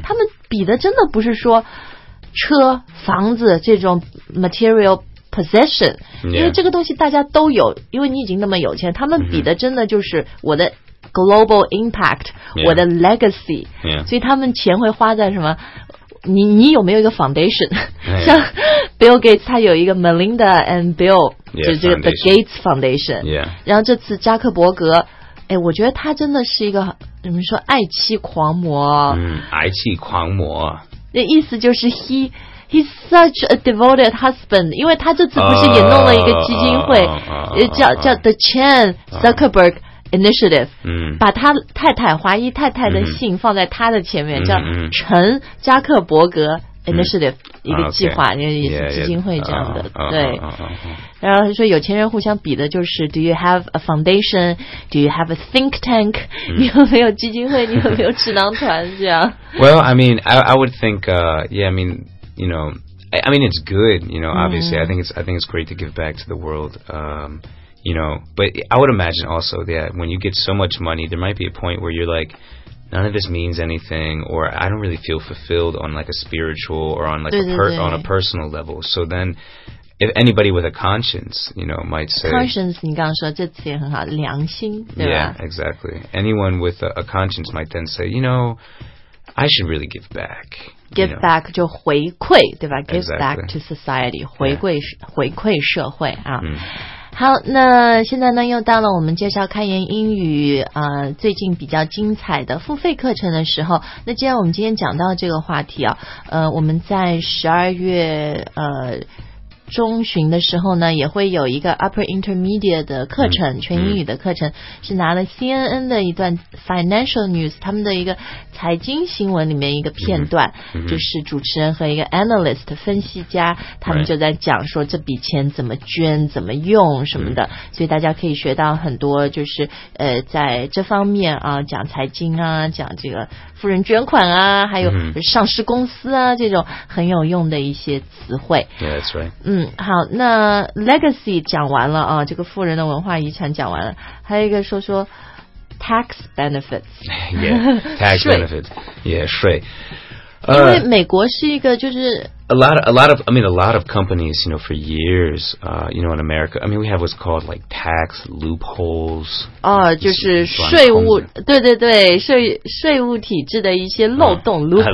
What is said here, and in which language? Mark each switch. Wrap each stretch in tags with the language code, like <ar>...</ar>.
<zh>他们比的真的不是说车房子这种 material possession、</zh> <en>yeah.</en> <zh>因为这个东西大家都有因为你已经那么有钱他们比的真的就是我的、嗯</zh> <en>global impact、 yeah.</en> <zh>我的 legacy、</zh> <en>yeah.</en> <zh>所以他们钱会花在什么你有没有一个 foundation？像 Bill Gates 他有一个 Melinda and Bill，</zh> <en>yeah,</en> <zh>就是这个 the Gates Foundation。</zh> <en>Yeah。</en> <zh>然后这次扎克伯格，哎，我觉得他真的是一个怎么说爱妻狂魔。爱妻狂魔。那意思就是</zh> <en>he's such a devoted husband，</en> <zh>因为他这次不是也弄了一个基金会，叫 the Chan Zuckerberg。 Initiative，把他太太华裔太太的信放在他的前面，叫陈扎克伯格 Initiative，一个计划，</zh> <en>okay，</en> <zh>也是基金会这样的。</zh> <en>yeah,</en> <zh>对，然后他说有钱人互相比的就是</zh> <en>Do you have a foundation? Do you have a think tank?</en> <zh>你有没有基金会？你有没有智囊团？这样。</zh> <en>Well, I mean, I would think, yeah, I mean, you know, I mean, it's good, you know, obviously,I think it's great to give back to the world. You know, but I would imagine also that when you get so much money, there might be a point where you're like, none of this means anything, or I don't really feel fulfilled on like a spiritual or on like on a personal level. So then, if anybody with a conscience, you know, might say...</en> <zh>Conscience, 你刚刚说这次也很好，良心，对吧？</zh> <en>Yeah, exactly. Anyone with a conscience might then say, you know, I should really give back. Give you know.</en> <zh>back 就回馈对吧 Give、</zh> <en>exactly. back to society</en> <zh>回馈社会啊、嗯、好那现在呢又到了我们介绍开言英语最近比较精彩的付费课程的时候那既然我们今天讲到这个话题啊我们在12月中旬的时候呢也会有一个 Upper Intermediate 的课程、全英语的课程是拿了 CNN 的一段 Financial News 他们的一个财经新闻里面一个片段、就是主持人和一个 Analyst 分析家他们就在讲说这笔钱怎么捐怎么用什么的、所以大家可以学到很多就是在这方面啊讲财经啊讲这个富人捐款啊还有上市公司啊、这种很有用的一些词汇</zh> <en>Yeah, that's right</en> <zh>好那 legacy 讲完了啊这个富人的文化遗产讲完了还有一个说 tax benefits</zh> <en>yeah tax benefits yeah 税</en> <zh>因为美国是一个就是</zh> <en>a lot of companies you know for years you know in America I mean we have what's called like tax loopholes</en> <zh>就是税务对对对税务体制的一些漏洞、loopholes</zh>